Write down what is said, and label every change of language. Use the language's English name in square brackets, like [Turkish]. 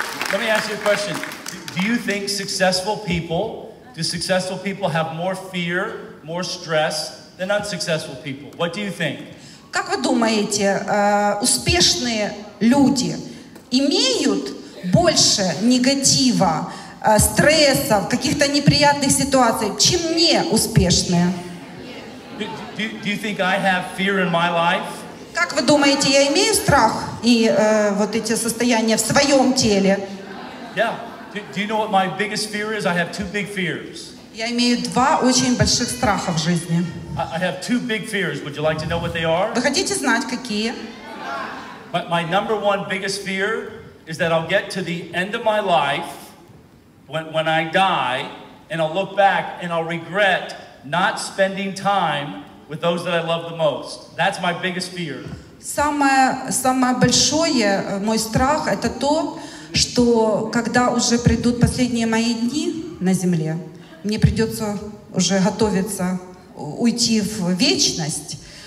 [English] Let me ask you a question. Do you think successful people have more fear, more stress than unsuccessful people? What do you think? [Russian] Как вы думаете, успешные люди имеют больше негатива, стрессов, каких-то неприятных ситуаций, чем не успешные? [English] Do you think I have fear in my life? [Russian] Как вы думаете, я имею страх и вот эти состояния в своем теле? [English] Yeah. Do you know what my biggest fear is? I have 2 big fears. [Russian] Я имею 2 очень больших страха в жизни. [English] I have 2 big fears. Would you like to know what they are? [Russian] Вы хотите знать какие? [English] My number one biggest fear is that I'll get to the end of my life when I die and I'll look back and I'll regret not spending time with those that I love the most. That's my biggest fear. [Russian] Самое большое мой страх это то, что когда уже придут последние мои дни на земле, мне придется уже готовиться уйти в вечность.